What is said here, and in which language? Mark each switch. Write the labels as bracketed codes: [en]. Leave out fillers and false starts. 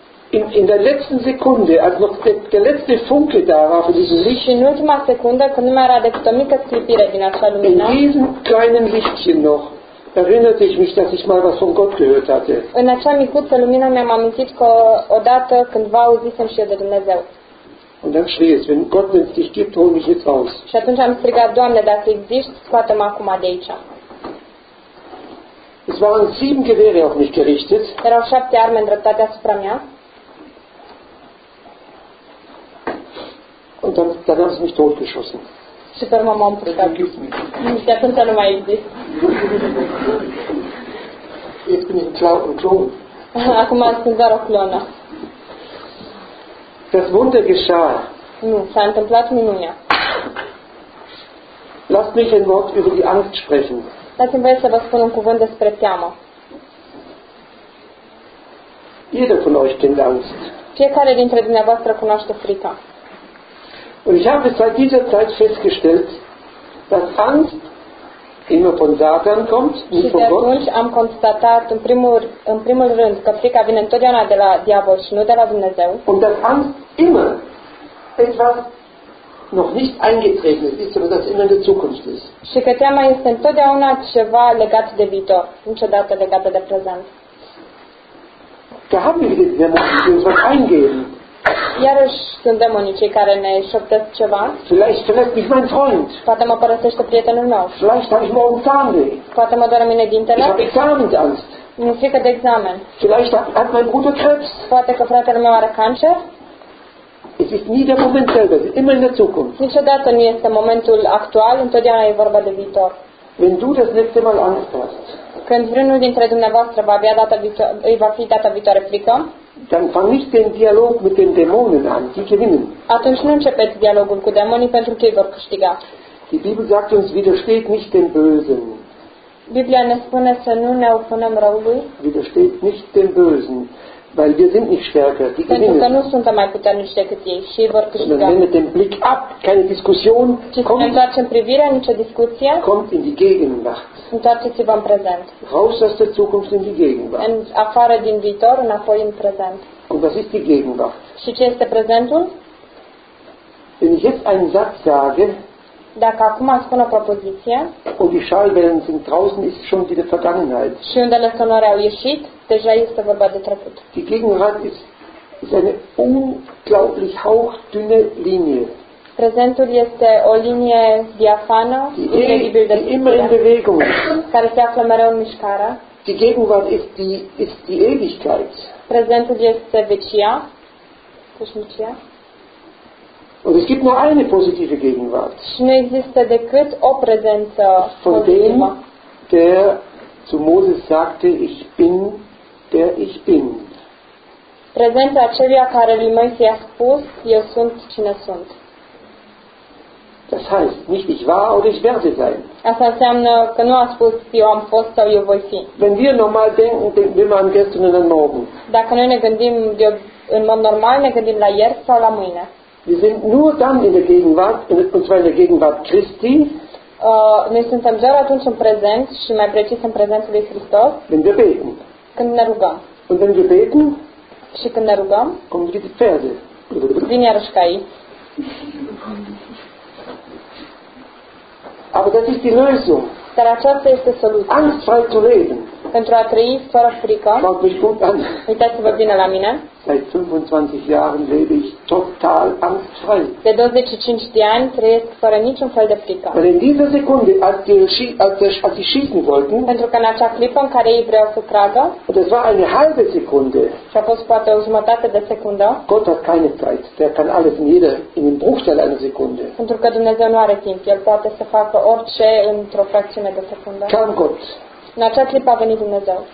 [de] Und in der letzten Sekunde, als noch der letzte Funke da war für dieses Licht. [ro] Și în ultima secundă, când mai era decât o mică clipire din acea lumină. [de] In diesem kleinen Lichtchen noch erinnerte ich mich, dass ich mal was von Gott gehört hatte. [ro] În acea micuță lumină mi-am amintit că odată cândva auzisem și eu de Dumnezeu. [de] Und dann schrie es, wenn Gott es dich gibt, hol mich jetzt raus. [ro] Și atunci am strigat, Doamne, dacă există, scoate-mă acum de aici. [de] Es waren 7 Gewehre auf mich gerichtet. [ro] Erau 7 arme îndreptate asupra mea. [de] Und dann haben sie mich totgeschossen. [ro] Și pe urmă m-am pucat. Și atunci nu mai există. [de] Jetzt bin ich ein Klon. [ro] Acum sunt doar o clonă. [de] Das Wunder geschah. [ro] Nu, s-a întâmplat minunea. [de] Lasst mich ein Wort über die Angst sprechen. [ro] Lasst-mi voie să vă spun un cuvânt despre teamă. [de] Jeder von euch kennt Angst. [ro] Fiecare dintre dumneavoastră cunoaște frica. [de] Und ich habe seit dieser Zeit festgestellt, dass Angst immer von Satan kommt, nicht von Gott. [ro] Și de atunci am constatat în primul rând că frica vine întotdeauna de la diavol și nu de la Dumnezeu. [de] Und dass Angst immer etwas noch nicht eingetreten ist, sondern dass immer in der Zukunft ist. [ro] Și că teama este întotdeauna ceva legat de viitor, niciodată legat de prezent. [de] Da haben wir wieder Dämonen, die uns was eingeben. [ro] Iarăși sunt demonii cei care ne șoptesc ceva. [de] Vielleicht verlässt mich mein Freund. [ro] Poate mă părăsește prietenul meu. [de] Vielleicht habe ich morgen Zahnweh. [ro] Poate mă doare mine dintele. [de] Ich habe Examensangst. [ro] Mi-e frică de examen. [de] Vielleicht hat mein Bruder Krebs. [ro] Poate că fratele meu are cancer. [de] Es ist nie der Moment selber, immer in der Zukunft. [ro] Niciodată nu este momentul actual, întotdeauna e vorba de viitor. [de] Wenn du das nächste Mal Angst hast. [ro] Când vreunul dintre dumneavoastră va avea data viitoare, îi va fi data viitoare frică. [de] Dann fang nicht den Dialog mit den Dämonen an, die gewinnen. [ro] Atunci nu începeți dialogul cu demonii pentru că ei vor câștiga. [de] Die Bibel sagt uns, widersteht nicht dem Bösen. [ro] Biblia ne spune să nu ne opunem răului. [de] Widersteht nicht dem Bösen, weil wir sind nicht stärker, die [ro] pentru [de] gewinnen. [ro] Pentru că nu suntem mai puternici decât ei și ei vor câștiga. [de] Sondern wendet den Blick ab, keine Diskussion. [ro] Ci să ne întoarcem privirea, nicio discuție. [de] Kommt in die Gegenwart. [ro] Întoarceți-vă în prezent. [de] Raus aus der Zukunft in die Gegenwart. [ro] În afară din viitor, înapoi în prezent. [de] Und was ist die Gegenwart? [ro] Și ce este prezentul? [de] Wenn ich jetzt einen Satz sage, [ro] dacă acum spun o propoziție, [de] und die Schallwellen sind draußen, ist schon wieder Vergangenheit. [ro] Și undele sonore au ieșit, deja este vorba de trecut. [de] Die Gegenwart ist eine unglaublich hauchdünne Linie. [ro] Prezentul este o linie diafană, incredibil de subțire, care se află mereu în mișcare. [de] Die Gegenwart ist die Ewigkeit. [ro] Prezentul este vecia, veșnicia. [de] Und es gibt nur eine positive Gegenwart. [ro] Și nu există decât o prezență pozitivă. [de] Von dem, der zu Moses sagte, ich bin, der ich bin. [ro] Prezența aceluia care lui Moise i-a spus, eu sunt cine sunt. [de] Das heißt, nicht ich war oder ich werde sein. [ro] Asta înseamnă că nu a spus eu am fost sau eu voi fi. [de] Wenn wir normal denken, denken wir an gestern und an morgen. [ro] Dacă noi ne gândim în mod normal, ne gândim la ieri sau la mâine. [de] Wir sind nur dann in der Gegenwart, und zwar in der Gegenwart Christi. [ro] Noi suntem doar atunci în prezent și mai precis în prezentul lui Hristos. [de] Wenn wir beten. [ro] Când ne rugăm. [de] Und wenn wir beten. [ro] Și când ne rugăm. [de] Kommt die Pferde. [ro] Vin iarăși cai. [de] Aber das ist die Lösung. [ro] Dar aceasta este soluția. [de] Angstfrei zu leben. [ro] Pentru a trăi fără frică. [de] Schaut mich gut an. [ro] Uitați-vă bine la mine. [de] Seit 25 Jahren lebe ich total angstfrei. [ro] De 25 de ani trăiesc fără niciun fel de frică. [de] Weil in dieser Sekunde, als sie schießen wollten. [ro] Pentru că în acea clipă în care ei vreau să tragă. [de] Und es war eine halbe Sekunde. [ro] Și a fost poate o jumătate de secundă. [de] Gott hat keine Zeit. Der kann alles in den Bruchteil einer Sekunde. [ro] Pentru că Dumnezeu nu are timp. El poate să facă orice într-o fracțiune. [de] Kam Gott. [ro] În acea clipă a venit Dumnezeu.